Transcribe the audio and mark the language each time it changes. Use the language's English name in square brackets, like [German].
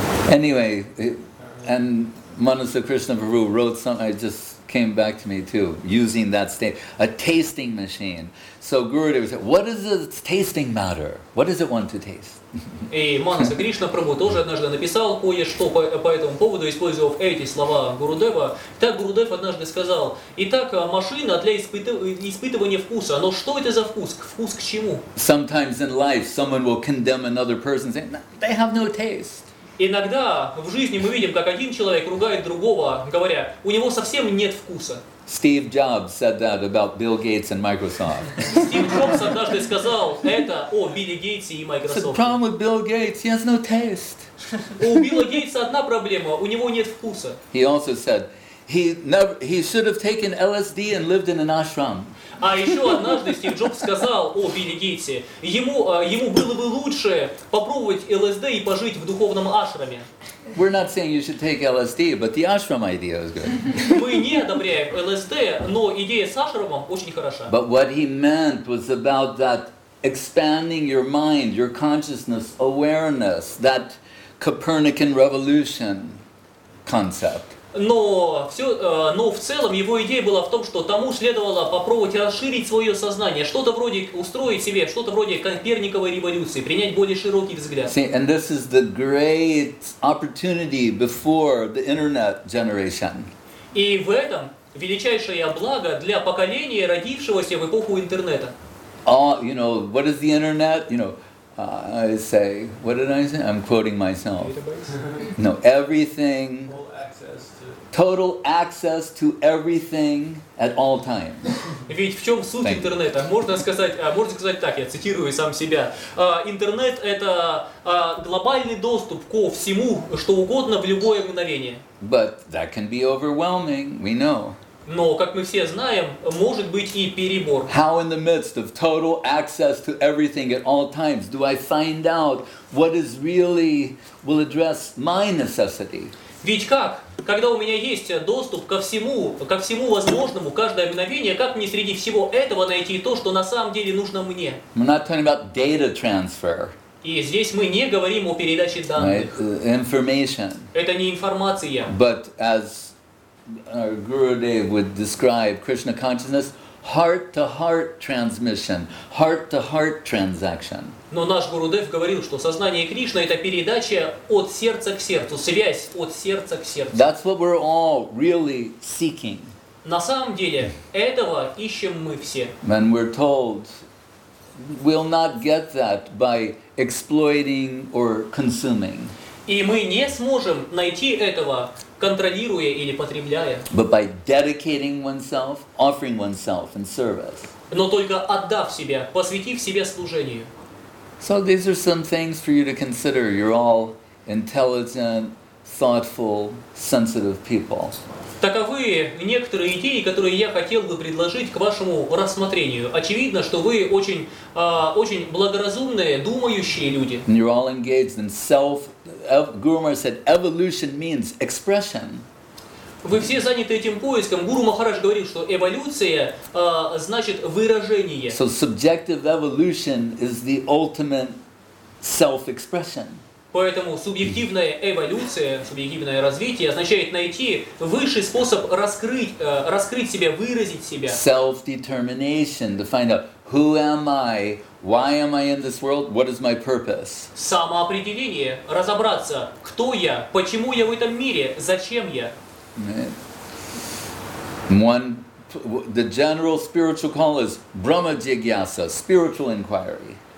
[English] Anyway, and Manasa Krishna Prabhu wrote something, I just came back to me too, using that state, a tasting machine. So Gurudev said, what is its tasting matter? What does it want to taste? [Russian] И Манаса Кришна Прабху тоже однажды написал кое-что по этому поводу, используя эти слова Гурудева. Так Гурудев однажды сказал, итак, машина для испытывания вкуса, но что это за вкус? Вкус к чему? [English] Sometimes in life someone will condemn another person, saying, they have no taste. [Russian] Иногда в жизни мы видим, как один человек ругает другого, говоря, у него совсем нет вкуса. [English] Steve Jobs said that about Bill Gates and Microsoft. [Russian] Steve Jobs однажды сказал это о Билле Гейтсе и Microsoft. [English] The problem with Bill Gates, he has no taste. [Russian] У Билла Гейтса одна проблема, у него нет вкуса. [English] He also said, he should have taken LSD and lived in an ashram. [Russian] А еще однажды Стив Джобс сказал о Билле Гейтсе, ему было бы лучше попробовать ЛСД и пожить в духовном ашраме. [English] We're not saying you should take LSD, but the ashram idea is good. [Russian] Мы не одобряем ЛСД, но идея с ашрамом очень хороша. [English] But what he meant was about that expanding your mind, your consciousness, awareness, that Copernican revolution concept. [Russian] Но в целом его идея была в том, что тому следовало попробовать расширить свое сознание, что-то вроде устроить себе, что-то вроде Коперниковой революции, принять более широкий взгляд. [English] See, and this is the great opportunity before the internet generation. [Russian] И в этом величайшее благо для поколения, родившегося в эпоху интернета. [English] all, you know, what is the internet? You know, I say, what did I say? I'm quoting myself. Database? No, everything. Total access to everything at all times. [Russian] Ведь в чем суть интернета? Можно сказать так, я цитирую сам себя. Интернет – это глобальный доступ ко всему, что угодно в любое мгновение. [English] But that can be overwhelming, we know. [Russian] Но, как мы все знаем, может быть и перебор. [English] How in the midst of total access to everything at all times do I find out what is really will address my necessity? [Russian] Ведь как? Когда у меня есть доступ ко всему возможному, каждое мгновение, как мне среди всего этого найти то, что на самом деле нужно мне? [English] We're not talking about data transfer. [Russian] И здесь мы не говорим о передаче данных. [English] Right? Information. [Russian] Это не информация. [English] But as our Gurudev would describe Krishna consciousness, heart-to-heart transmission, heart-to-heart transaction. [Russian] Но наш Гурудев говорил, что сознание Кришны – это передача от сердца к сердцу, связь от сердца к сердцу. [English] That's what we're all really seeking. [Russian] На самом деле, этого ищем мы все. [English] And we're told, we'll not get that by exploiting or consuming. [Russian] И мы не сможем найти этого, контролируя или потребляя. [English] But by dedicating oneself, offering oneself in service. [Russian] Но только отдав себя, посвятив себя служению. [English] So these are some things for you to consider. You're all intelligent, thoughtful, sensitive people. [Russian] Таковы некоторые идеи, которые я хотел бы предложить к вашему рассмотрению. Очевидно, что вы очень, очень благоразумные, думающие люди. [English] And you're all engaged in self. Guru Maharaj said, evolution means expression. [Russian] Вы все заняты этим поиском. Гуру Махарадж говорит, что эволюция значит выражение. [English] So subjective evolution is the ultimate self-expression. [Russian] Поэтому субъективная эволюция, субъективное развитие означает найти высший способ раскрыть себя, выразить себя. [English] Self-determination to find out who am I, why am I in this world, what is my purpose. [Russian] Самоопределение, разобраться, кто я, почему я в этом мире, зачем я. [English] Right. One, the general spiritual call is Brahma Jigyasa, spiritual inquiry.